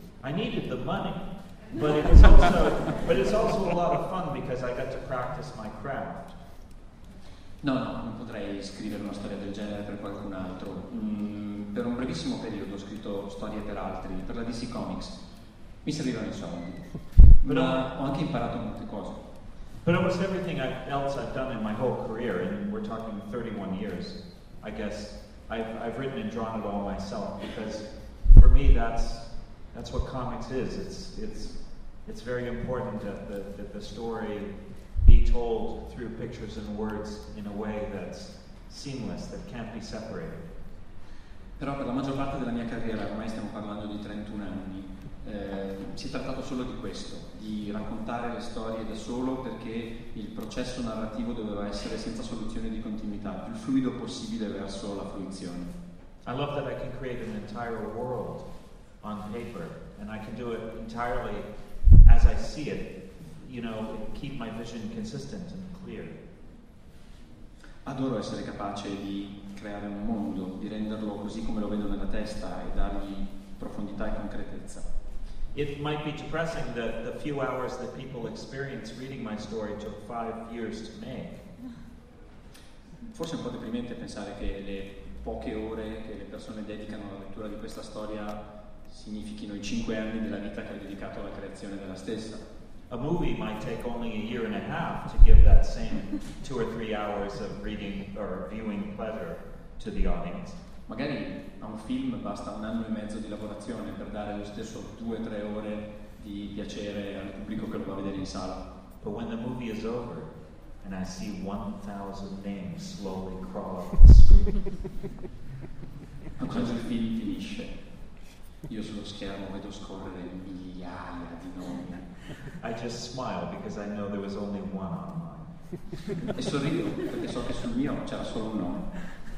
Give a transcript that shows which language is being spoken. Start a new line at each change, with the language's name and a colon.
English: I needed the money, but it's also a lot of fun because I got to practice my craft.
Italian: No, non potrei scrivere una storia del genere per qualcun altro. Per un brevissimo periodo ho scritto storie per altri, per la DC Comics. Mi servivano i soldi, ma ho anche imparato molte cose.
English: But almost everything else I've done in my whole career, and we're talking 31 years, I guess, I've written and drawn it all myself, because for me that's what comics is. It's very important that the story be told through pictures and words in a way that's seamless, that can't be separated.
Italian: Però per la maggior parte della mia carriera, ormai stiamo parlando di 31 anni, si è trattato solo di questo, di raccontare le storie da solo, perché il processo narrativo doveva essere senza soluzione di continuità, più fluido possibile verso la fruizione.
English: I love that I can create an entire world on paper and I can do it entirely as I see it, you know, keep my vision consistent and clear.
Italian: Adoro essere capace di creare un mondo, di renderlo così come lo vedo nella testa e dargli profondità e concretezza.
English: It might be depressing that the few hours that people experience reading my story took 5 years to make.
Italian: Forse è un po' deprimente pensare che le poche ore che le persone dedicano alla lettura di questa storia significhino i 5 anni della vita che ho dedicato alla creazione della stessa.
English: A movie might take only a year and a half to give that same 2 or 3 hours of reading or viewing pleasure to the audience.
Italian: Magari a un film basta un anno e mezzo di lavorazione per dare lo stesso 2 o 3 ore di piacere al pubblico che lo va a vedere in sala.
English: But when the movie is over and I see 1,000 names slowly crawl up the screen.
Italian: Ma quando il film finisce, io sullo schermo vedo scorrere migliaia di nomi.
English: I just smile because I know there was only one on mine.
Italian: E sorrido perché so che sul mio c'era solo un nome.